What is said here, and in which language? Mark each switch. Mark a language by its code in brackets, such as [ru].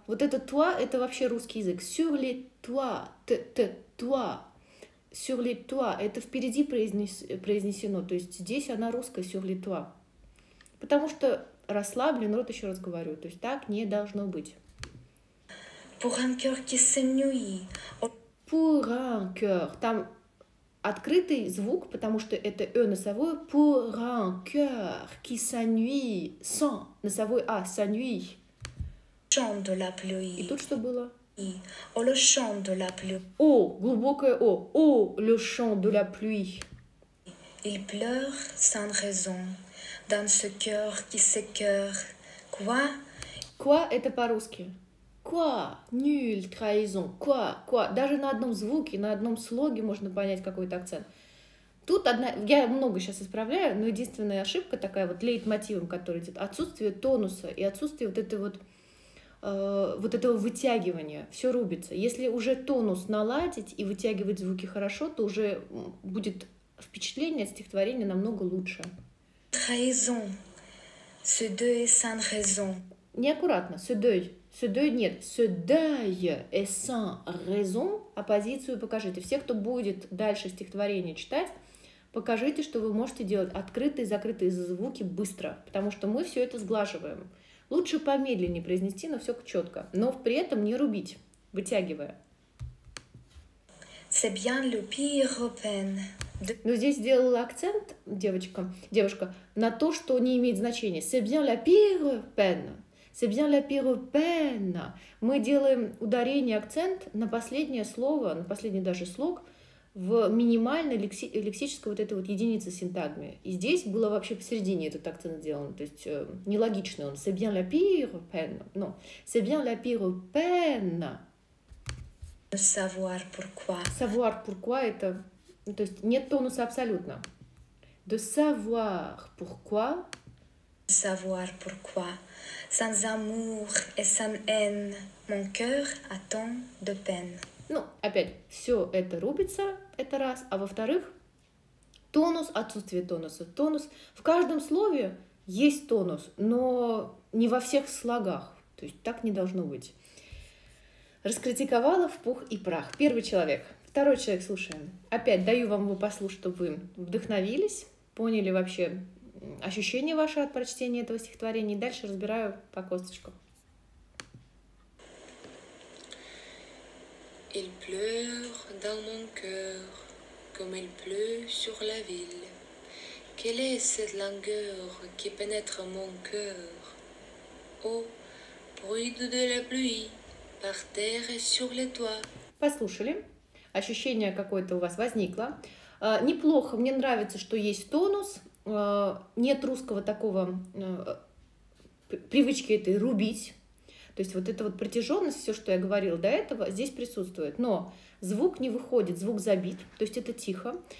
[ru] Вот это toi, это вообще русский язык. [fr] Sur les toits. Toi. Sur les toits. [ru] Это впереди произнесено. То есть здесь она русская, [fr] sur les toits. [ru] Потому что расслаблен, рот еще раз говорю. То есть так не должно быть. [fr] Pour un cœur qui s'ennuie. Pour un cœur. [ru] Там открытый звук, потому что это «э» носовой. [fr] Pour un cœur qui s'ennuie. [ru] Sans. Носовой «а». S'ennuie. [fr] Chant de la pluie. [ru] И тут что было? [fr] Oh, le chant de la pluie. [ru] О, глубокое «о». [fr] О, le chant de la pluie. Il pleure sans raison. Dans ce cœur qui s'écœure. Quoi? Quoi? [ru] Это по-русски. [fr] Quoi? Nul, trahison. Quoi? Quoi? [ru] Даже на одном звуке, на одном слоге можно понять какой-то акцент. Тут одна... Я много сейчас исправляю, но единственная ошибка такая вот лейтмотивом, который идет. Отсутствие тонуса и отсутствие вот этой вот... вот этого вытягивания. Все рубится. Если уже тонус наладить и вытягивать звуки хорошо, то уже будет впечатление от стихотворения намного лучше. [fr] Trahison. Ce deuil est sans raison. [ru] Неаккуратно. [fr] Ce deuil. Ce deuil нет. Ce deuil est sans raison. [ru] Оппозицию покажите. Все, кто будет дальше стихотворение читать, покажите, что вы можете делать открытые и закрытые звуки быстро, потому что мы все это сглаживаем. Лучше помедленнее произнести, но все четко. Но при этом не рубить, вытягивая. [fr] C'est bien le pire peine. [ru] Но здесь сделала акцент девушка, на то, что не имеет значения. [fr] C'est bien la pire peine. C'est bien la pire peine. [ru] Мы делаем ударение, акцент на последнее слово, на последний даже слог, в минимальной лексической вот этой вот единице синтагмы. И здесь было вообще посередине этот акцент сделан. То есть нелогичный он. [fr] C'est bien la pire peine. Non. C'est bien la pire peine. Savoir pourquoi. Savoir pourquoi — это... [ru] То есть нет тонуса абсолютно. [fr] De savoir pourquoi. savoir pourquoi. Sans amour et sans haine, mon cœur a tant de peine. [ru] Ну, опять, все это рубится, это раз, а во-вторых, тонус, отсутствие тонуса, тонус. В каждом слове есть тонус, но не во всех слогах, то есть так не должно быть. Раскритиковала в пух и прах. Первый человек, второй человек, слушаем. Опять даю вам его послушать, чтобы вы вдохновились, поняли вообще ощущение ваше от прочтения этого стихотворения. И дальше разбираю по косточкам. [fr] Il pleure dans mon cœur, comme il pleut sur la ville. Quelle est cette langueur qui pénètre mon cœur? Oh, bruit de la pluie, par terre et sur les toits. [ru] Послушали. Ощущение какое-то у вас возникло. Неплохо. Мне нравится, что есть тонус. Нет русского такого привычки этой рубить. То есть вот эта вот протяженность, все, что я говорила до этого, здесь присутствует. Но звук не выходит, звук забит, то есть это тихо.